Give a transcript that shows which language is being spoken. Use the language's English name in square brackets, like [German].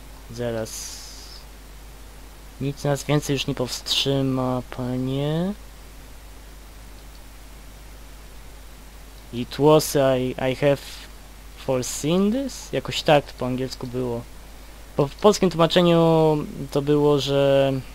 [Polish] Zaraz. Nic nas więcej już nie powstrzyma, panie. [English] It was I have foreseen this? [Polish] Jakoś tak to po angielsku było. Bo w polskim tłumaczeniu to było, że